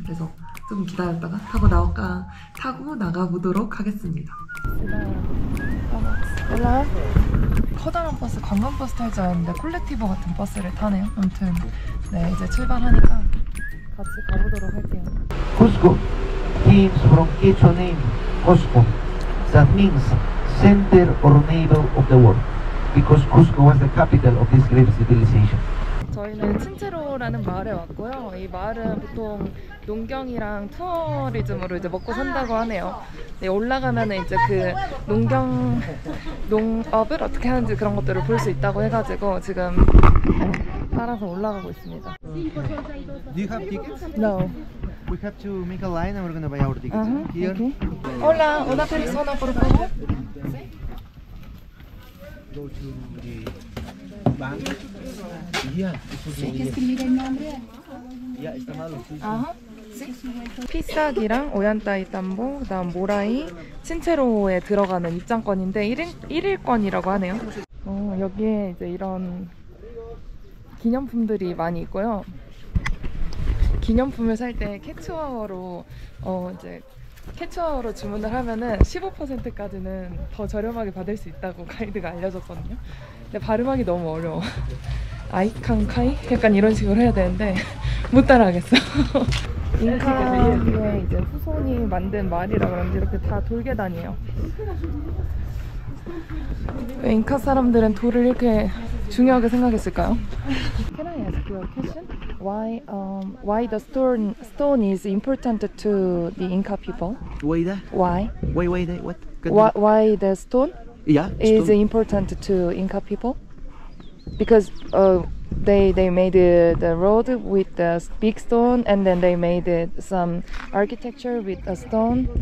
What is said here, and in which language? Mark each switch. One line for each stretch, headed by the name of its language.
Korean: 그래서 조금 기다렸다가 타고 나올까 타고 나가보도록 하겠습니다.
Spanish: 올라.
Korean: 커다란 버스, 관광버스 탈 줄 알았는데 콜렉티브 같은 버스를 타네요. 아무튼 네, 이제 출발하니까 같이 가보도록 할게요.
English: Cusco means from Quechua name Cusco, that means center or navel of the world, because Cusco was the capital of this great civilization.
Korean: 저희는 친체로라는 마을에 왔고요. 이 마을은 보통 농경이랑 투어리즘으로 이제 먹고 산다고 하네요. 네, 올라가면 이제 그 농경 농업을 어떻게 하는지 그런 것들을 볼 수 있다고 해가지고 지금 따라서 올라가고 있습니다.
English: Do you have tickets? No. We have to make a line and we're gonna buy our tickets here.
Spanish: Okay. Hola, una persona por favor.
English: Go to the bank. Yeah.
Spanish: ¿Quieres escribir el nombre? Yeah, está malo. Sí.
Korean: 피삭이랑 오얀따이탄보, 그다음 모라이, 친체로에 들어가는 입장권인데 1일권이라고 하네요. 여기에 이제 이런 기념품들이 많이 있고요. 기념품을 살 때 캐츠어로 이제 캐츠어로 주문을 하면은 15%까지는 더 저렴하게 받을 수 있다고 가이드가 알려줬거든요. 근데 발음하기 너무 어려워. 아이칸 카이? 약간 이런 식으로 해야 되는데 못 따라하겠어. 잉카의 이제 후손이 만든 말이라 그런지 이렇게 다 돌게 다니에요. 왜 잉카 사람들은 돌을 이렇게 중요하게 생각했을까요?
English: Can I ask you a question? Why the stone is important to the Inca people? Why that? Why that? What? Why the stone? Yeah. Stone. Is important to Inca people? Because they made the road with the big stone, and then they made some architecture with a stone.